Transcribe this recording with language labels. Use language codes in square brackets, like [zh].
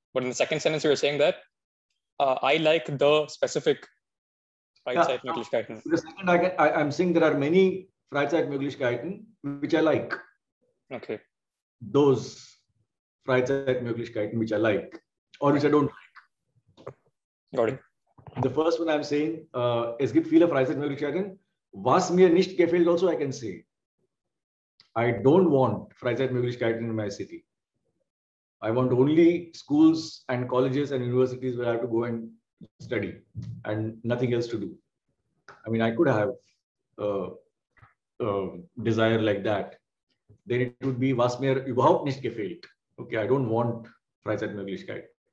[en] But in the second sentence, you were saying that I like the specific Freizeitmöglichkeiten. The second, I'm saying there are many Freizeitmöglichkeiten which I like. Okay. Those Freizeitmöglichkeiten which I like or which I don't like. Got it. The first one I'm saying, [de] es gibt viele Freizeitmöglichkeiten. Was mir nicht gefällt, also [en] I can say. I don't want Freizeitmöglichkeiten in my city. I want only schools and colleges and universities where I have to go and study and nothing else to do. I mean, I could have a desire like that. Then it would be [de] was mir überhaupt nicht gefällt. [en] Okay, I don't want Freizeitmöglichkeit.